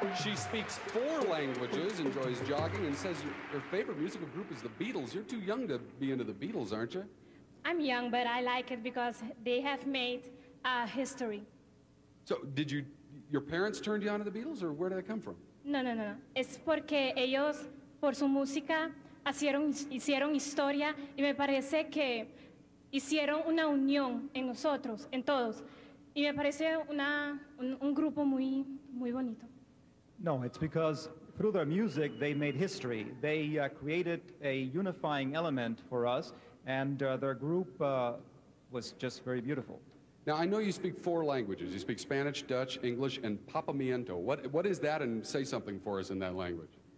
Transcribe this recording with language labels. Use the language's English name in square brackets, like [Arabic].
[English] She speaks four languages, enjoys jogging, and says her favorite musical group is the Beatles. You're too young to be into the Beatles, aren't you? I'm young, but I like it because they have made history. So did your parents turned you on to the Beatles, or where did that come from? No. [Spanish] Es porque ellos, por su música, hicieron historia, y me parece que hicieron una unión en nosotros, en todos. Y me parece un grupo muy, muy bonito. [English] No, it's because through their music, they made history. They created a unifying element for us, and their group was just very beautiful. Now, I know you speak four languages. You speak Spanish, Dutch, English, and Papamiento. What is that, and say something for us in that language?